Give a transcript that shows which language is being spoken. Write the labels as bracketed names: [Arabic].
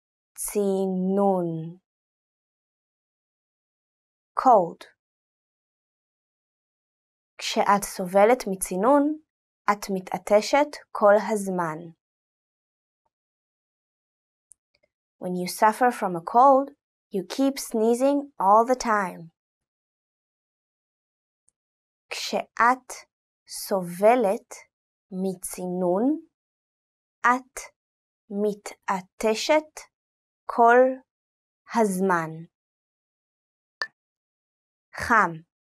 [Hebrew] צינון. [English] Cold. [Hebrew] כשאת סובלת מצינון, את מתעטשת כל הזמן. [English] When you suffer from a cold, you keep sneezing all the time. [Hebrew] כשאת סובלת מצינון, את מתעטשת כל הזמן. חם.